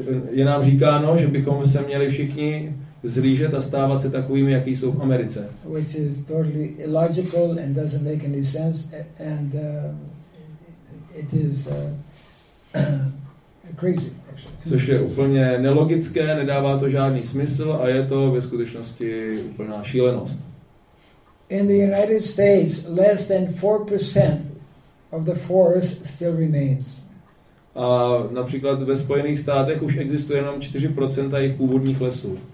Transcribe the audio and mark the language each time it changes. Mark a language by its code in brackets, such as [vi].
[cs] Je nám říkáno, že bychom se měli všichni zhlížet a stávat se takovými, jaký jsou v Americe. [en] Which is totally illogical and doesn't make any sense and it is crazy. [cs] Což je úplně nelogické, nedává to žádný smysl a je to ve skutečnosti úplná šílenost. [en] In the United States, less than 4% of the forest still remains. [cs] A například ve Spojených státech už existuje jenom 4% jejich původních lesů.